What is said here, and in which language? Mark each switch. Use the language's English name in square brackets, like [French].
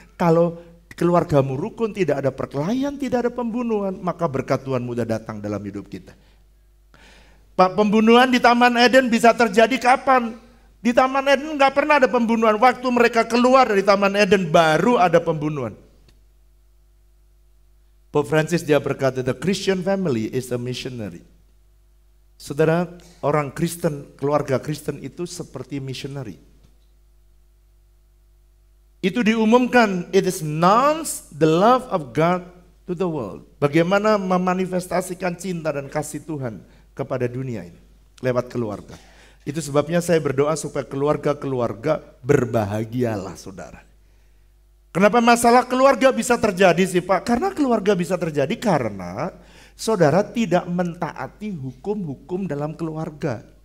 [Indonesian] Kalau keluargamu rukun, tidak ada perkelahian, tidak ada pembunuhan, maka berkat Tuhan mudah datang dalam hidup kita. Pak, pembunuhan di Taman Eden bisa terjadi kapan? Di Taman Eden gak pernah ada pembunuhan. Waktu mereka keluar dari Taman Eden, baru ada pembunuhan. [English] Pope Francis [Indonesian] dia berkata, [English] the Christian family is a missionary. [Indonesian] Saudara, orang Kristen, keluarga Kristen itu seperti missionary. Itu diumumkan, [English] it is announced the love of God to the world. [Indonesian] Bagaimana memanifestasikan cinta dan kasih Tuhan kepada dunia ini lewat keluarga. Itu sebabnya saya berdoa supaya keluarga-keluarga berbahagialah saudara. Kenapa masalah keluarga bisa terjadi sih Pak? Karena keluarga bisa terjadi karena saudara tidak mentaati hukum-hukum dalam keluarga.